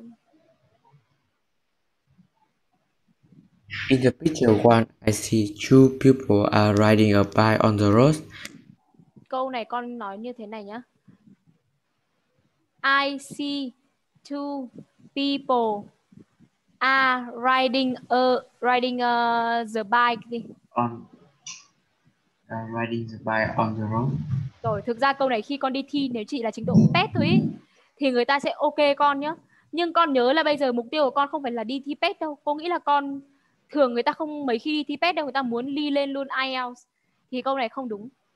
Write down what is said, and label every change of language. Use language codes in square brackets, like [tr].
[en] nhỉ? In the picture one, I see two people are riding a bike on the road. [vi] Câu này con nói như thế này nhá. [en] I see two people are riding the bike đi. Riding the bike on the road. [vi] Rồi, thực ra câu này khi con đi thi, nếu chỉ là trình độ PET thôi ý, thì người ta sẽ ok con nhá. Nhưng con nhớ là bây giờ mục tiêu của con không phải là đi thi PET đâu. Cô nghĩ là con thường người ta không mấy khi đi thi PET đâu, người ta muốn đi lên luôn IELTS. Thì câu này không đúng.